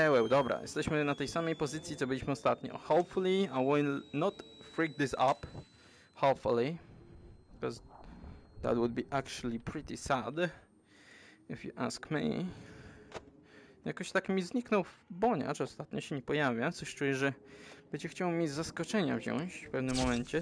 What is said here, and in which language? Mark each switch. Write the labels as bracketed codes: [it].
[pl] Dobra, jesteśmy na tej samej pozycji, co byliśmy ostatnio. [en] Hopefully, I will not freak this up. Hopefully. Because that would be actually pretty sad. If you ask me. [pl] Jakoś tak mi zniknął boniacz, ostatnio się nie pojawia. Coś czuję, że będzie chciał mi zaskoczenia wziąć w pewnym momencie.